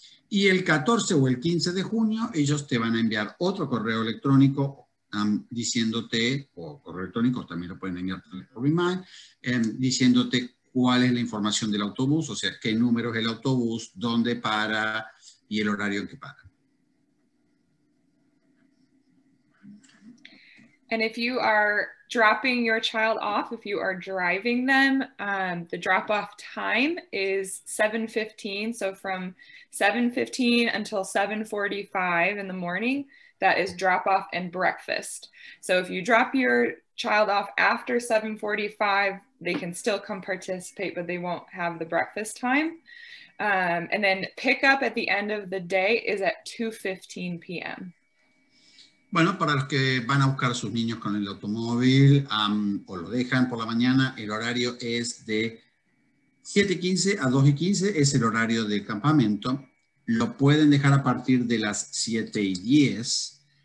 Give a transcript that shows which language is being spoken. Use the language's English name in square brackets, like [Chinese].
[Spanish] Y el 14 o el 15 de junio ellos te van a enviar otro correo electrónico diciéndote, o correo electrónico, también lo pueden enviar por email, diciéndote cuál es la información del autobús, o sea, qué número es el autobús, dónde para y el horario en que para. [English] And if you are dropping your child off, if you are driving them, the drop-off time is 7:15. So from 7:15 until 7:45 in the morning, that is drop-off and breakfast. So if you drop your child off after 7:45, they can still come participate, but they won't have the breakfast time. And then pick up at the end of the day is at 2:15 p.m. [Spanish] Bueno, para los que van a buscar a sus niños con el automóvil o lo dejan por la mañana, el horario es de 7:15 a 2:15, es el horario del campamento. Lo pueden dejar a partir de las 7:10.